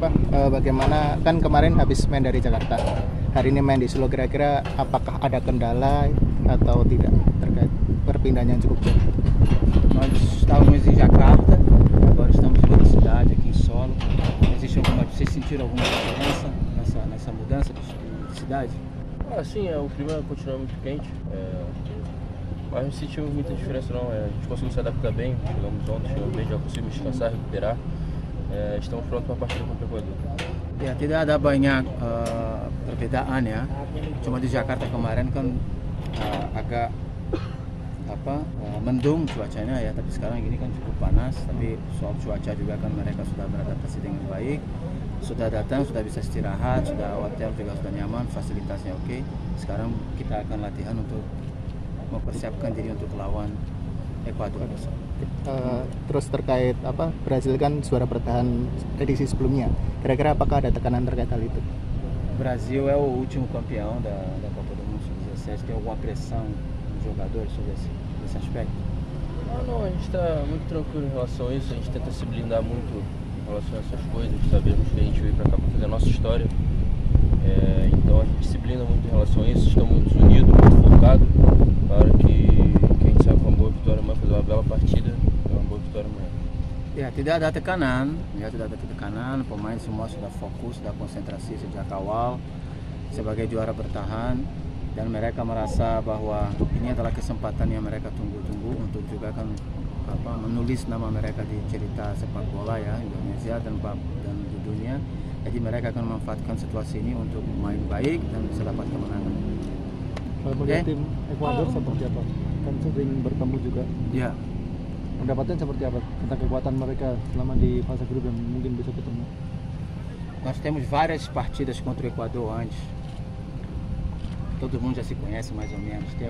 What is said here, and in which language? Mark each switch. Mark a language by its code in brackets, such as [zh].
[id] bagaimana kan kemarin habis main dari Jakarta, hari ini main di Solo, kira-kira apakah ada kendala atau tidak terkait perpindahan yang cukup jauh? [pt] Nós estávamos em Jakarta, agora estamos em outra cidade, aqui em Solo. Existe alguma, vocês sentiram alguma diferença nessa mudança de cidade? Ah, sim, o clima continua muito quente, mas não sentimos muita diferença não. A gente conseguiu se adaptar bem, chegamos ontem, chegamos bem, já conseguimos descansar, recuperar. Estamos prontos para a partida contra o Equador. [id] Ya, tidak ada banyak perbedaan ya. Cuma di Jakarta kemarin kan agak mendung cuacanya ya. Tapi sekarang ini kan cukup panas. Tapi soal cuaca juga kan mereka sudah beradaptasi dengan baik. Sudah datang, sudah bisa istirahat, sudah hotel juga sudah nyaman, fasilitasnya oke. Sekarang kita akan latihan untuk mempersiapkan diri untuk lawan Ekuador besok. Terus terkait Brazil kan suara bertahan edisi sebelumnya. Kira-kira apakah ada tekanan terkait hal itu? [pt] Brasil é o último campeão da Copa do Mundo 2017. Tem alguma pressão nos jogadores sobre esse aspecto? Não, a gente está muito tranquilo em relação a isso. A gente tenta se blindar muito em relação a essas coisas. Sabemos que a gente veio para cá para fazer a nossa história. Então a gente se blinda muito em relação a isso. Estamos muito unidos, muito focados para que a gente saia com uma boa vitória amanhã, fazer uma bela partida e uma boa vitória amanhã. [id] Ya, tidak ada tekanan. Ya, tidak ada tekanan. Pemain semua sudah fokus, sudah konsentrasi sejak awal sebagai juara bertahan, dan mereka merasa bahwa ini adalah kesempatan yang mereka tunggu-tunggu untuk juga kan menulis nama mereka di cerita sepak bola ya Indonesia dan di dunia. Jadi mereka akan memanfaatkan situasi ini untuk main baik dan bisa dapat kemenangan. Melihat tim Ekuador seperti apa? Kan sering bertemu juga. Ya. Pendapatnya seperti apa tentang kekuatan mereka selama di fase grup yang mungkin bisa ketemu? [pt] Nós temos várias partidas contra o Equador antes. Todo mundo já se conhece mais ou menos.